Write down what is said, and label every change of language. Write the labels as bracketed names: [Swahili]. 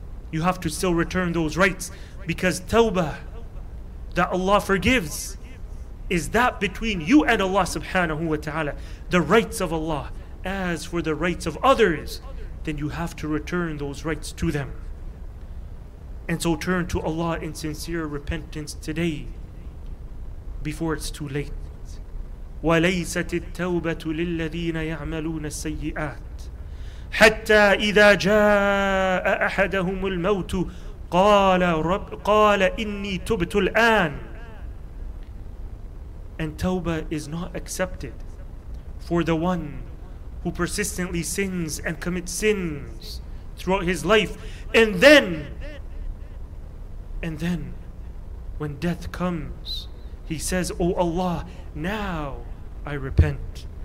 [English] You have to still return those rights, because tawbah, that Allah forgives, is that between you and Allah subhanahu wa ta'ala, the rights of Allah. As for the rights of others, then you have to return those rights to them. And so turn to Allah in sincere repentance today before it's too late. [Arabic] وَلَيْسَتِ التَّوْبَةُ لِلَّذِينَ يَعْمَلُونَ السَّيِّئَاتِ حتى إذا جاء أحدهم الموت قال رب قال إني تبت الآن [English] and tawbah is not accepted. For the one who persistently sins and commits sins throughout his life, and then, when death comes, he says, "O Allah, now I repent."